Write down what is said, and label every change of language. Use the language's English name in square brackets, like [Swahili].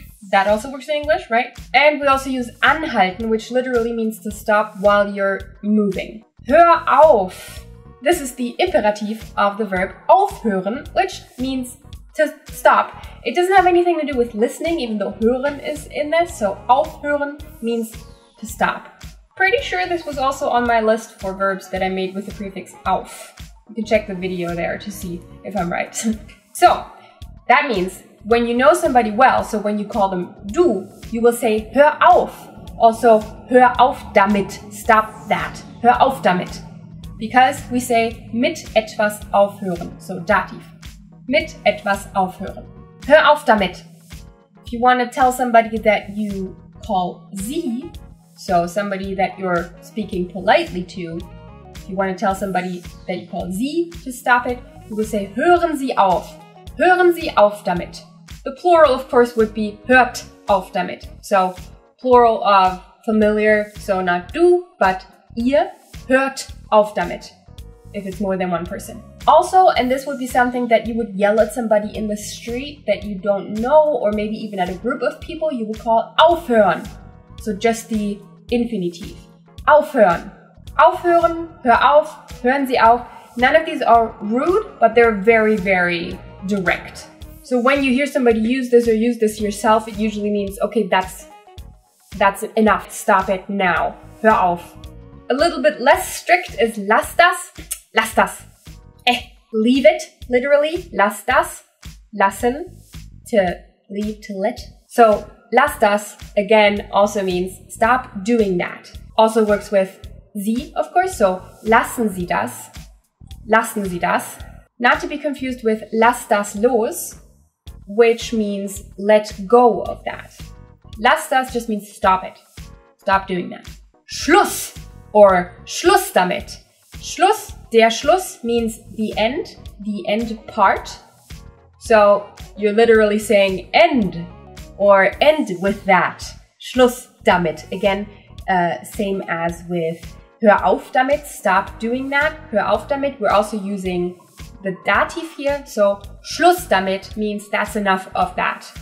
[English] That also works in English, right? And we also use anhalten, which literally means to stop while you're moving. [German] Hör auf. [English] This is the imperative of the verb aufhören, which means to stop. It doesn't have anything to do with listening, even though hören is in this. So aufhören means to stop. Pretty sure this was also on my list for verbs that I made with the prefix auf. You can check the video there to see if I'm right. So that means, when you know somebody well, so when you call them du, you will say [German] hör auf. Also, hör auf damit, [English] stop that. [German] Hör auf damit. [English] Because we say [German] mit etwas aufhören, [English] so dativ. [German] Mit etwas aufhören. Hör auf damit. [English] If you want to tell somebody that you call sie, so somebody that you're speaking politely to, if you want to tell somebody that you call sie to stop it, you will say [German] hören sie auf. Hören sie auf damit. [English] The plural, of course, would be [German] hört auf damit. [English] So, plural of familiar, so not du, but ihr, [German] hört auf damit, [English] if it's more than one person. Also, and this would be something that you would yell at somebody in the street that you don't know, or maybe even at a group of people, you would call aufhören. So just the infinitive. Aufhören. [German] Aufhören, hör auf, hören Sie auf. [English] None of these are rude, but they're very, very direct. So when you hear somebody use this or use this yourself, it usually means, okay, that's enough. Stop it now. [German] Hör auf. [English] A little bit less strict is [German] lass das. Lass das. [English] Leave it, literally. [German] Lass das. Lassen. [English] To leave, to let. So [German] lass das, [English] again, also means stop doing that. Also works with sie, of course. [German] So lassen Sie das. [English] Lassen Sie das. Not to be confused with [German] lass das los, [English] which means let go of that. [German] Lass das [English] just means stop it. Stop doing that. [German] Schluss or Schluss damit. [English] Schluss, der Schluss means the end part. So you're literally saying end or end with that. [German] Schluss damit. [English] Again, same as with [German] hör auf damit, [English] stop doing that. [German] Hör auf damit. [English] We're also using the dative here. So [German] Schluss damit [English] means that's enough of that.